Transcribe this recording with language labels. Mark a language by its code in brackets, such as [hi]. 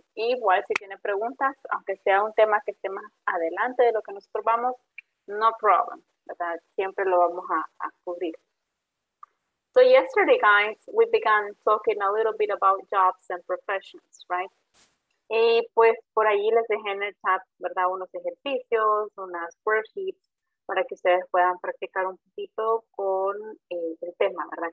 [es] Igual si tiene preguntas, aunque sea un tema que esté más adelante de lo que nosotros vamos, no problem, ¿verdad? Siempre lo vamos a cubrir. [en] So yesterday, guys, we began talking a little bit about jobs and professions, right? [es] Y pues por ahí les dejé en el chat, ¿verdad? Unos ejercicios, unas worksheets, para que ustedes puedan practicar un poquito con el tema, ¿verdad?